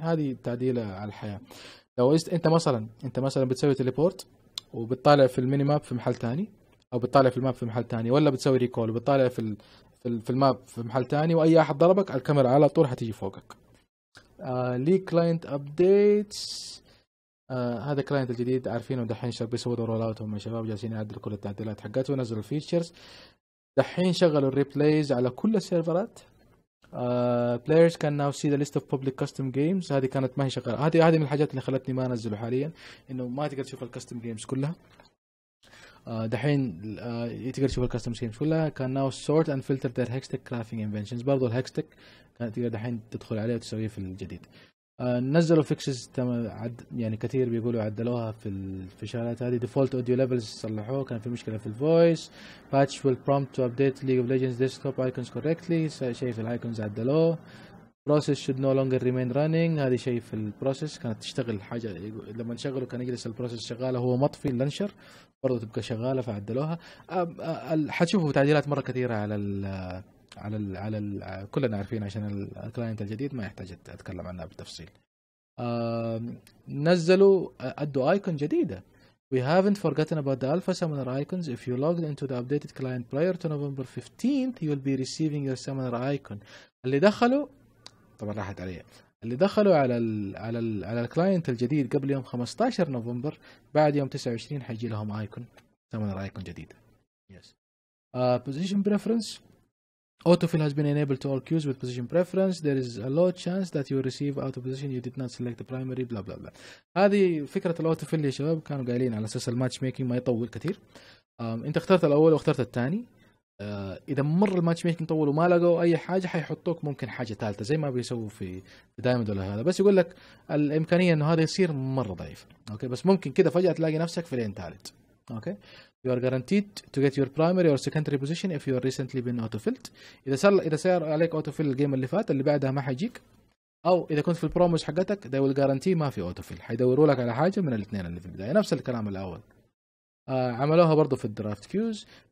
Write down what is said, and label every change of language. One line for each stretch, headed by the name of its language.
Arabic: هذه تعديله على الحياه. لو انت مثلا بتسوي تيليبورت وبتطالع في الميني ماب في محل ثاني, او بتطالع في الماب في محل ثاني, ولا بتسوي ريكول وبتطالع في الماب في محل ثاني واي احد ضربك, الكاميرا على طول هتيجي فوقك. لي كلاينت ابديتس, هذا كلاينت الجديد عارفينه دحين شباب بيسووا رولاتهم, شباب جالسين يعدلوا كل التعديلات حقته ونزلوا الفيتشرز. دحين شغلوا الريبلايز على كل السيرفرات.
English: Players can now see the list of public custom games.
Arabic: هذه كانت ما هي شغالة. هذه من الحاجات اللي خلتني ما أنزله حاليا, إنه ما تقدر تشوف الكاستم جيمز كلها. دحين تقدر تشوف الكاستم جيمز كلها.
English: Can now sort and filter their hextech crafting inventions.
Arabic: برضو الهكستك كانت تقدر دحين تدخل عليه وتسويه في الجديد. نزلوا fixes يعني كثير بيقولوا عدلوها في الفشالات هذه.
English: Default audio levels
Arabic: صلحوه, كان في مشكلة في الفويس.
English: Patch will prompt to update League of Legends desktop icons correctly,
Arabic: شيء في الايكونز عدلوه.
English: Process should no longer remain running,
Arabic: هذه شيء في البروسيس كانت تشتغل حاجة لما نشغله كان يجلس البروسيس شغالة هو مطفي اللانشر برضو تبقى شغالة فعدلوها. حتشوفوا تعديلات مرة كثيرة على الـ على الـ على الـ كلنا عارفين عشان الكلاينت الجديد ما يحتاج اتكلم عنها بالتفصيل. نزلوا ادوا ايكون جديده.
English: We haven't forgotten about the alpha summoner icons. If you logged into the updated client prior to November 15th you will be receiving your summoner icon.
Arabic: اللي دخلوا طبعا راحت عليه, اللي دخلوا على الـ على الـ على الكلاينت الجديد قبل يوم 15 نوفمبر بعد يوم 29 حيجي لهم ايكون summoner icon جديده.
English: Yes. Position preference autofill has been enabled to all queues with position preference. There is a low chance that you receive out of position you did not select the primary blah blah blah.
Arabic: هذه فكرة الاوتوفيل يا شباب, كانوا قايلين على اساس الماتش ميكينج ما يطول كثير. انت اخترت الاول واخترت الثاني, اذا مر الماتش ميكينج طول وما لقوا اي حاجة حيحطوك ممكن حاجة ثالثة زي ما بيسووا في دايموند ولا هذا, بس يقول لك الامكانية انه هذا يصير مرة ضعيف. اوكي, بس ممكن كده فجأة تلاقي نفسك في لين ثالث.
English: Okay, you are guaranteed to get your primary or secondary position if you are recently been autofilled.
Arabic: اذا صار عليك autofill الجيم اللي فات اللي بعدها ما حيجيك, او اذا كنت في البروموس حقتك
English: they will guarantee
Arabic: ما في autofill, حيدوروا لك على حاجه من الاثنين اللي في البدايه. نفس الكلام الاول عملوها برضو في الدرافت كيوز.